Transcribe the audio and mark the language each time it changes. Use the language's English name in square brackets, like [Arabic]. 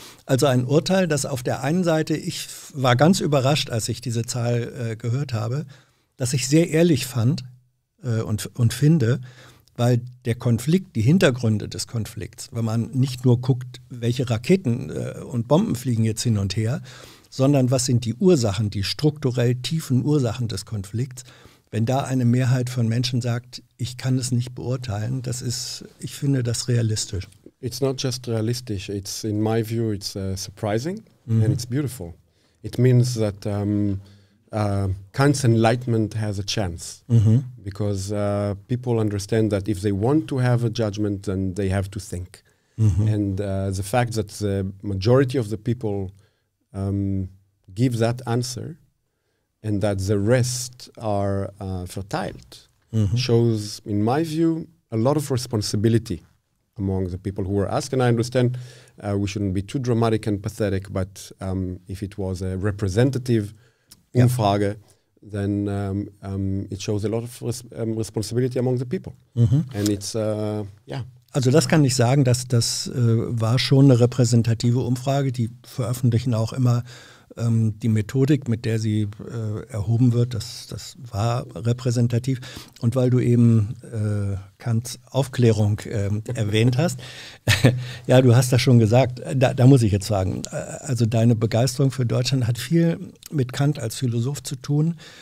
[German] Also ein Urteil, das auf der einen Seite, ich war ganz überrascht, als ich diese Zahl gehört habe, dass ich sehr ehrlich fand und finde, weil der Konflikt, die Hintergründe des Konflikts, wenn man nicht nur guckt, welche Raketen und Bomben fliegen jetzt hin und her, sondern was sind die Ursachen, die strukturell tiefen Ursachen des Konflikts, wenn da eine Mehrheit von Menschen sagt, ich kann es nicht beurteilen, das ist, ich finde das realistisch. [English] It's not just realistic. It's, in my view, it's surprising mm-hmm. and it's beautiful. It means that Kant's enlightenment has a chance mm-hmm. because people understand that if they want to have a judgment, then they have to think. Mm-hmm. And the fact that the majority of the people give that answer and that the rest are verteilt mm-hmm. shows, in my view, a lot of responsibility among the people who were asked. And I understand we shouldn't be too dramatic and pathetic, but if it was a representative Umfrage, yep. then it shows a lot of responsibility among the people. Mm-hmm. And it's, yeah. [German] Also das kann ich sagen, dass das war schon eine repräsentative Umfrage. Die veröffentlichen auch immer die Methodik, mit der sie erhoben wird. Das war repräsentativ. Und weil du eben Kants Aufklärung erwähnt hast, ja, du hast das schon gesagt, da muss ich jetzt sagen, also deine Begeisterung für Deutschland hat viel mit Kant als Philosoph zu tun.